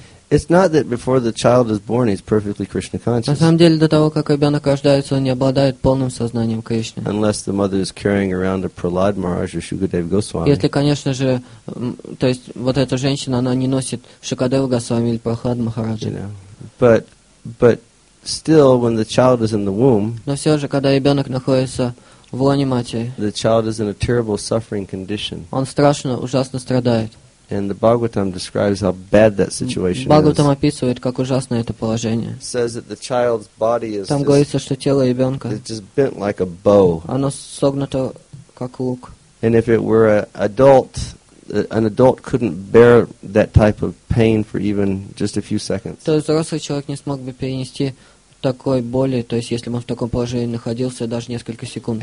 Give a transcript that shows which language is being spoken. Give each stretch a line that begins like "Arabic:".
English: It's not that before the child is born he's perfectly Krishna conscious.
Russian: На самом деле до того как ребенок рождается он не обладает полным сознанием Кришны.
English: Unless the mother is carrying around a Prahlad Maharaj or Shukadeva Goswami.
Russian: Если конечно же, то есть вот эта женщина она не носит Шукадева Госвами или Прахлад Махараджа.
English: You know, but still when the child is in the womb.
Russian: Но все же когда ребенок находится в лоне матери.
English: The child is in a terrible suffering condition.
Russian: Он страшно, ужасно страдает.
English: And the Bhagavatam describes how bad that situation
Russian: Bhagavatam
English: is.
Russian: Описывает, как ужасно это положение.
English: Says that the child's body is.
Russian: Там говорится, что тело ребенка.
English: It's just bent like a bow.
Russian: Оно согнуто как лук.
English: And if it were an adult couldn't bear that type of pain for even just a few seconds.
Russian: То есть взрослый человек не смог бы перенести такой боли, то есть если бы он в таком положении находился даже несколько секунд.